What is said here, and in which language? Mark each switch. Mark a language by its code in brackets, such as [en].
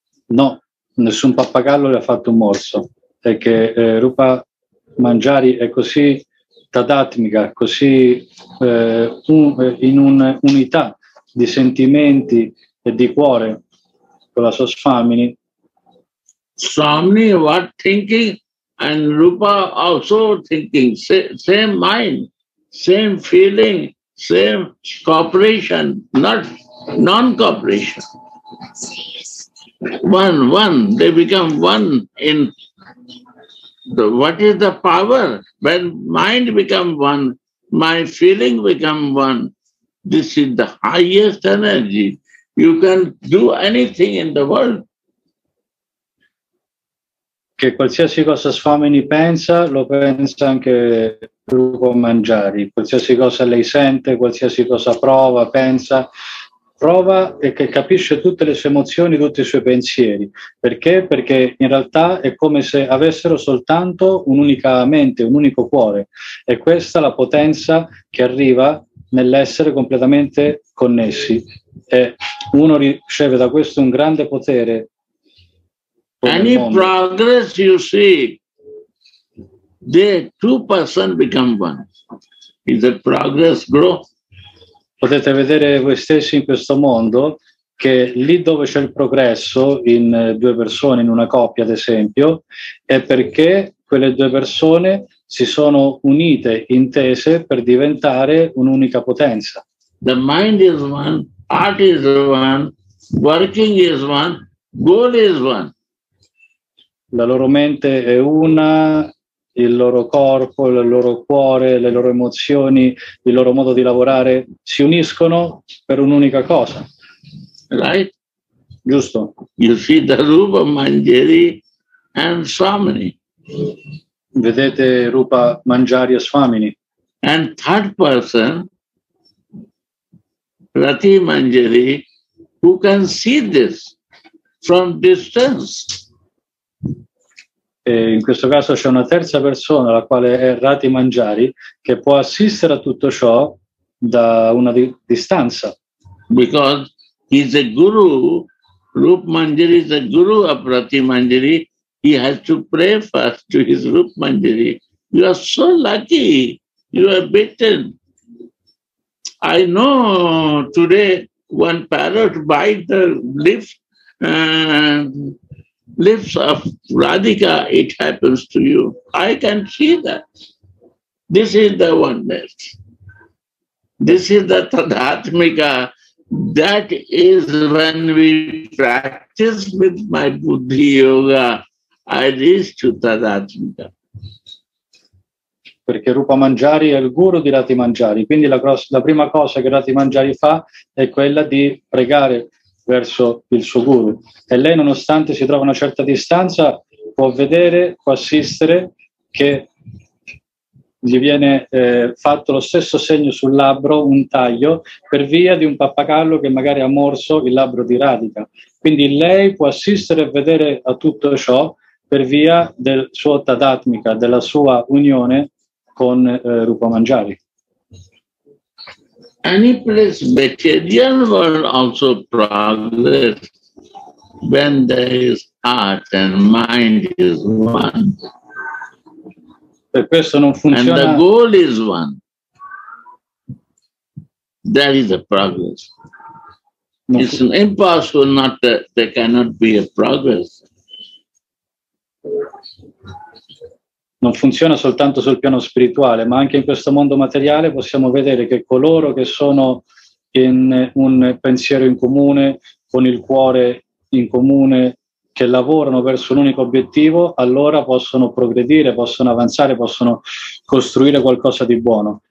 [it] No, nessun pappagallo le ha fatto un morso. È che Rupa Manjari è così tadatmica, così in un'unità di sentimenti e di cuore con la sua Swamini. [en] Swamini what thinking and Rupa also thinking, same mind, same feeling, same cooperation, not non-cooperation. One, they become one in the, what is the power? When mind become one, my feeling become one. This is the highest energy. You can do anything in the world. [it] Che qualsiasi cosa Swamini pensa, lo pensa anche Rupa Manjari. Qualsiasi cosa lei sente, qualsiasi cosa prova, pensa, prova e che capisce tutte le sue emozioni, tutti i suoi pensieri. Perché? Perché in realtà è come se avessero soltanto un'unica mente, un unico cuore. E questa è la potenza che arriva nell'essere completamente connessi. E uno riceve da questo un grande potere. [en] Any progress you see, the two person become one. Is the progress grow? [it] Potete vedere voi stessi in questo mondo che lì dove c'è il progresso in due persone, in una coppia ad esempio, è perché quelle due persone si sono unite, intese per diventare un'unica potenza. [en] The mind is one, heart is one, working is one, goal is one. [it] La loro mente è una, il loro corpo, il loro cuore, le loro emozioni, il loro modo di lavorare si uniscono per un'unica cosa. [en] Right? [it] Giusto. [en] You see the Rupa Manjari and Swamini. [it] Vedete Rupa Manjari e Swamini. [en] And third person, Rati Manjari, who can see this from distance. [it] In questo caso c'è una terza persona, la quale è Rati Manjari, che può assistere a tutto ciò da una distanza. [en] Because he's a guru, Rupa Manjari is a guru of Rati Manjari, he has to pray first to his Rupa Manjari. You are so lucky, you are bitten. I know today one parrot bite the lips and lips of Radhika, it happens to you. I can see that. This is the oneness. This is the tadatmika. That is when we practice with my buddhi yoga, I reach to tadatmika. [it] Perché Rupa Manjari è il guru di Rati Manjari, quindi la prima cosa che Rati Manjari fa è quella di pregare verso il suo guru. E lei, nonostante si trova a una certa distanza, può vedere, può assistere che gli viene fatto lo stesso segno sul labbro, un taglio, per via di un pappagallo che magari ha morso il labbro di Radhika. Quindi lei può assistere e vedere a tutto ciò per via del suo tadatmika, della sua unione con Rupa Manjari. [en] Any place, material world also progress when there is heart and mind is one. [it] Per questo non funziona. [en] And the goal is one. That is a progress. It's impossible not that there cannot be a progress. [it] Non funziona soltanto sul piano spirituale, ma anche in questo mondo materiale possiamo vedere che coloro che sono in un pensiero in comune, con il cuore in comune, che lavorano verso un unico obiettivo, allora possono progredire, possono avanzare, possono costruire qualcosa di buono.